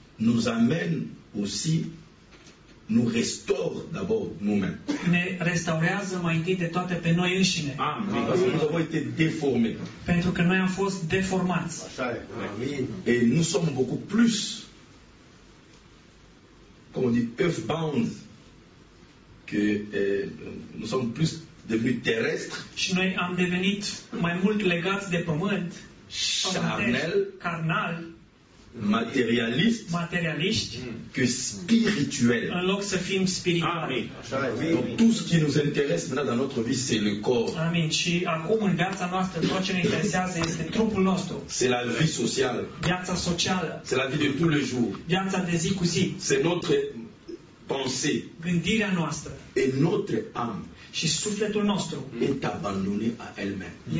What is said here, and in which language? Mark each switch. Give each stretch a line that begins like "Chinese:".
French: Nous amène aussi, nous restaure d'abord nous-mêmes.
Romanian: Ne restaurează mai întâi de toate pe noi înșine.
French: Amen. Amen. Nous avons été déformés.
Romanian: Pentru că noi am fost deformați. Așa e. Amen.
French: Et nous sommes beaucoup plus, comme on dit, earthbound, que nous sommes plus devenus terrestres.
Romanian: Și noi am devenit mai mult legați de pământ.
French: Charnel.
Romanian: Carnal.
French: Materialiste que spirituel.
Romanian: En loc să fim spirituali. Amen.
French: Donc tout ce qui nous intéresse maintenant dans notre vie, c'est le corps. Amen.
Romanian: Și acum în viața noastră tot ce ne interesează este trupul nostru.
French: C'est la vie sociale.
Romanian: Viața socială.
French: C'est la vie de tous les jours.
Romanian: Viața de zi cu zi.
French: C'est notre pensée.
Romanian: Gândirea noastră.
French: Et notre âme.
Romanian: Și sufletul nostru.
French: Est abandonné à elle-même.